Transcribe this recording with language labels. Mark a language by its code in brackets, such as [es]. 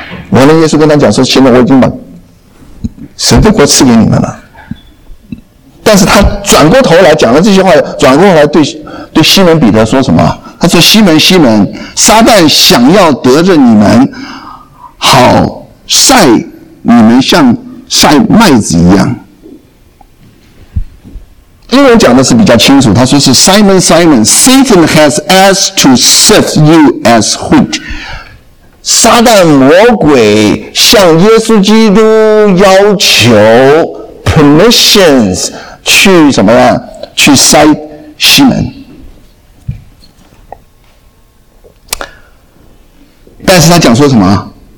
[zh] 完了耶稣跟他讲说现在我已经把神的国赐给你们了，但是他转过头来讲了这些话，转过来对西门彼得说什么？他说西门西门，撒旦想要得着你们，好晒你们像晒麦子一样。英文讲的是比较清楚，他说是 [en] Simon Simon Satan has asked to sift you as wheat。 [zh] 撒旦魔鬼向耶稣基督要求 permissions去什么呀？去筛西门。但是他讲说什么？